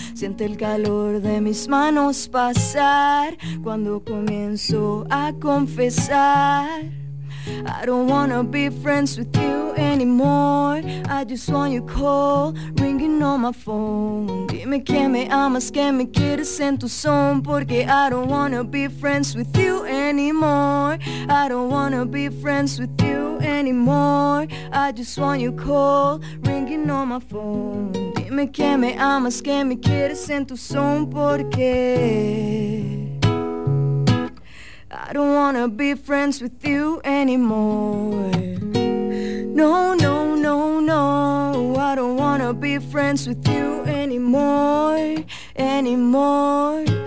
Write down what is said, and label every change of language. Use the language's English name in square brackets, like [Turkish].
[Spanish] Siente el calor de mis manos pasar cuando comienzo a confesar. [English] I don't wanna be friends with you anymore. I just want your call, ringing on my phone. [Spanish] Dime que me amas, que me quieres en tu son. Porque [English] I don't wanna be friends with you anymore. I don't wanna be friends with you anymore. I just want your call, ringing on my phone. [Spanish] Dime que me amas, que me quieres en tu son. Porque [English] I don't wanna be friends with you anymore. No, no, no, no, I don't wanna be friends with you anymore, anymore.